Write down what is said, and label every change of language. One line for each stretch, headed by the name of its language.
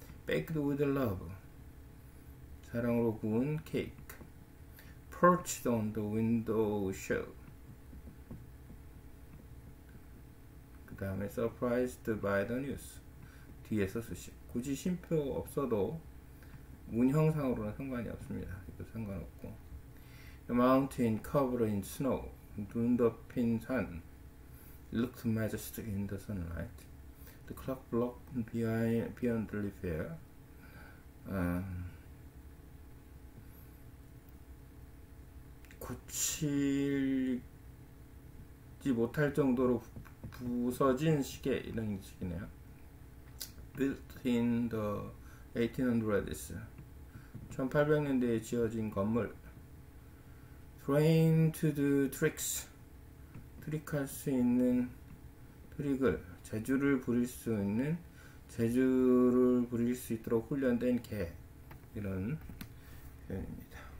English: Baked with love
Korean: 사랑으로 구운 케이크
English: Perched on the window sill
Korean: 그 다음에
English: Surprised by the news
Korean: 뒤에서 수식 굳이 쉼표 없어도 문형상으로는 상관이 없습니다. 이거 상관없고
English: The mountain covered in snow
Korean: 눈 덮인 산
English: Looked majestic in the sunlight The clock block beyond the fair
Korean: 고칠지 못할 정도로 부서진 시계 이런 식이네요.
English: Built in the 1800s
Korean: 1800년대에 지어진 건물
English: Trained to do tricks
Korean: 트릭할 수 있는 트릭을 재주를 부릴 수 있는 재주를 부릴 수 있도록 훈련된 개 이런 표현입니다.